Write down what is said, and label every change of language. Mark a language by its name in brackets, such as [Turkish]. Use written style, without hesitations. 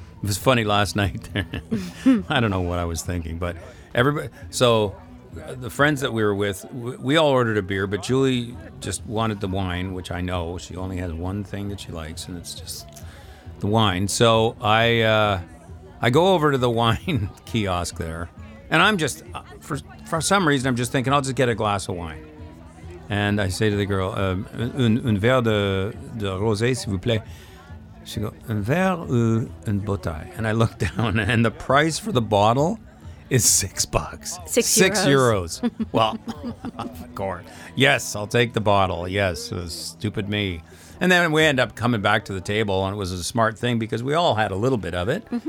[English] It was funny last night. I don't know what I was thinking, but everybody, so the friends that we were with, we all ordered a beer, but Julie just wanted the wine, which I know she only has one thing that she likes, and it's just the wine. So I go over to the wine kiosk there, and I'm just, for some reason, I'm just thinking, I'll just get a glass of wine. And I say to the girl, [French] un verre de rosé, s'il vous plaît. [English] She goes, [French] un verre ou une bouteille? [English] And I look down, and the price for the bottle is $6. €6. Well, of course. Yes, I'll take the bottle. Yes, stupid me. And then we end up coming back to the table, and it was a smart thing because we all had a little bit of it.